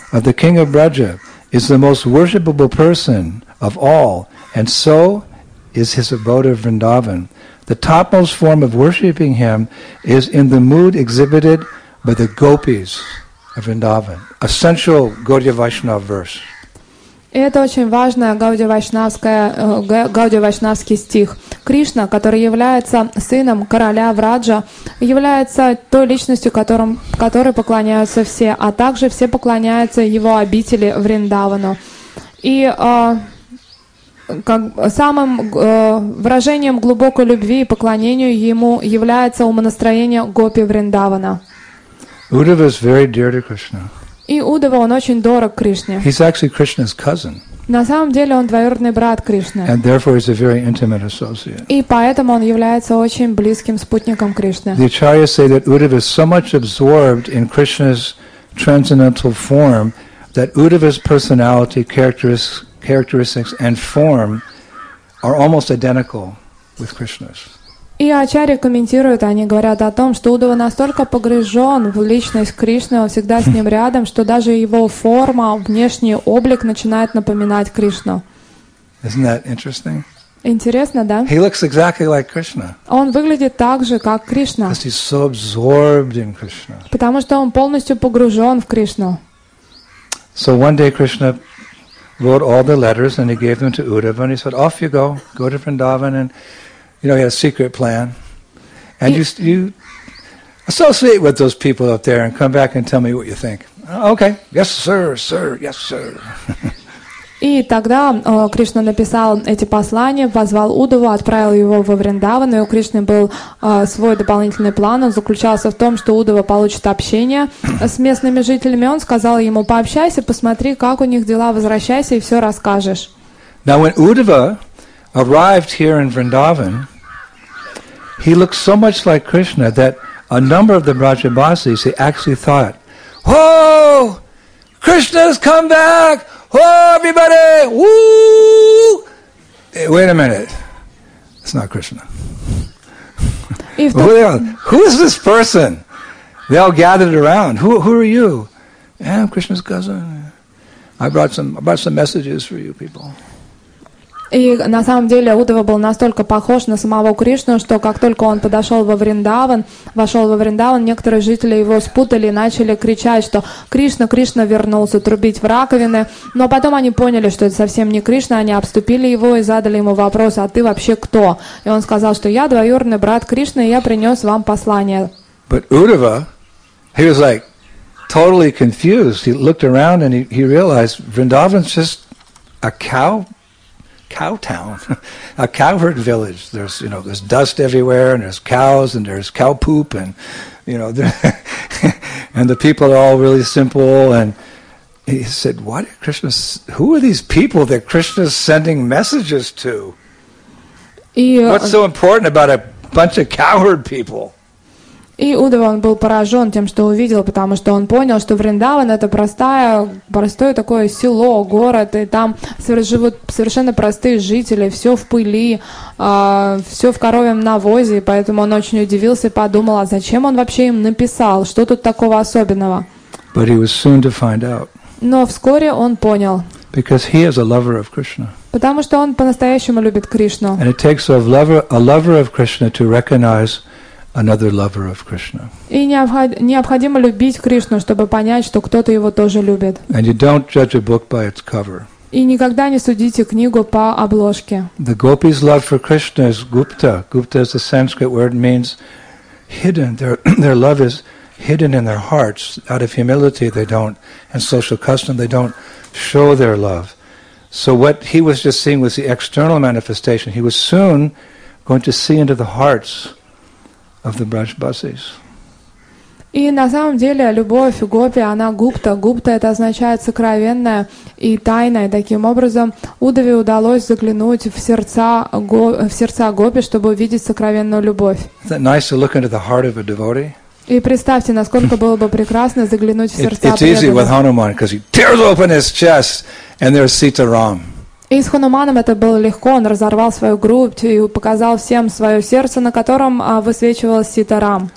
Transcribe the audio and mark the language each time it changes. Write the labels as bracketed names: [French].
[English] of the King of Braja is the most worshipable person of all, and so is his abode of Vrindavan. The topmost form of worshipping him is in the mood exhibited by the gopis of Vrindavan. Essential Gaudiya Vaishnava verse. [Russian] Это очень важная гаудия-вайшнавский стих. Кришна, который является сыном короля Враджа, является той личностью, которой поклоняются все, а также все поклоняются его обители Вриндавану. И выражением глубокой любви и поклонению ему является умонастроение гопи Вриндавана. [English] Удава is very dear to Krishna. [Russian] И Удава, он очень дорог Кришне. [English] He's actually Krishna's cousin. [Russian] На самом деле он двоюродный брат Кришны. [English] And therefore he's a very intimate associate. [Russian] И поэтому он является очень близким спутником Кришны. [English] The acharyas say that Udava is so much absorbed in Krishna's transcendental form that Udava's personality, characteristics and form are almost identical with Krishna's. [Russian] И ачарьи комментируют, они говорят о том, что Удава настолько погружен в личность Кришны, он всегда с ним рядом, что даже его форма, внешний облик начинает напоминать Кришну. [English] Isn't that interesting? [Russian] Интересно, да? [English] He looks exactly like Krishna. [Russian] Он выглядит так же, как Кришна. [English] Because he's so absorbed in Krishna. [Russian] Потому что он полностью погружен в Кришну. [English] So one day Krishna wrote all the letters and he gave them to Udava and he said, off you go, go to Vrindavan and you know, he had a secret plan. And you associate with those people up there and come back and tell me what you think. Okay, yes, sir, sir, yes, sir. [Russian] И тогда Кришна написал эти послания, позвал Удаву, отправил его во Вриндаван, и у Кришны был свой дополнительный план. Он заключался в том, что Удава получит общение с местными жителями. Он сказал ему, пообщайся, посмотри, как у них дела, возвращайся и все расскажешь. [English] Now, when Udava arrived here in Vrindavan, he looked so much like Krishna that a number of the Brajabasis, they actually thought, whoa, Krishna's come back, whoa, everybody, woo! Hey, wait a minute, it's not Krishna. Who is this person? They all gathered around, who are you? Yeah, I'm Krishna's cousin. I brought some messages for you people. [Russian] И на самом деле Удава был настолько похож на самого Кришну, что как только он подошел во Вриндаван, вошел во Вриндаван, некоторые жители его спутали и начали кричать, что Кришна, Кришна вернулся, трубить в раковины. Но потом они поняли, что это совсем не Кришна, они обступили его и задали ему вопрос, а ты вообще кто? И он сказал, что я двоюродный брат Кришны, и я принес вам послание. [English] But Udava, he was like totally confused. He looked around and he realized Vrindavan's just a cow. Cow town, a cowherd village. There's, you know, there's dust everywhere, and there's cows, and there's cow poop, and you know, and the people are all really simple. And he said, "What, Krishna? Who are these people that Krishna's sending messages to? What's so important about a bunch of cowherd people?" [Russian] И Удава, он был поражен тем, что увидел, потому что он понял, что Вриндаван — это простое такое село, город, и там живут совершенно простые жители, все в пыли, все в коровьем навозе, и поэтому он очень удивился и подумал, а зачем он вообще им написал, что тут такого особенного? [English] But he was soon to find out. [Russian] Но вскоре он понял. [English] Because he is a lover of Krishna. [Russian] Потому что он по-настоящему любит Кришну. [English] And it takes a lover of Krishna to recognize another lover of Krishna. [Russian] И необходимо любить Кришну, чтобы понять, что кто-то его тоже любит. [English] And you don't judge a book by its cover. [Russian] И никогда не судите книгу по обложке. [English] The gopis' love for Krishna is gupta. Gupta is a Sanskrit word, means hidden. Their love is hidden in their hearts. Out of humility, they don't show their love. So what he was just seeing was the external manifestation. He was soon going to see into the hearts of the Brajabasis. [Russian] И на самом деле любовь гопи, она гупта. Гупта — это означает сокровенное и тайное. Таким образом, Удаве удалось заглянуть в сердца гопи, чтобы увидеть сокровенную любовь. [English] That nice to look into the heart of a devotee. [Russian] И представьте, насколько было бы прекрасно заглянуть в сердца. [English] It's easy with Hanuman because he tears open his chest and there's Sita Ram. [Russian] И с Хануманом это было легко, он разорвал свою грудь и показал всем свое сердце, на котором высвечивалась Ситарам.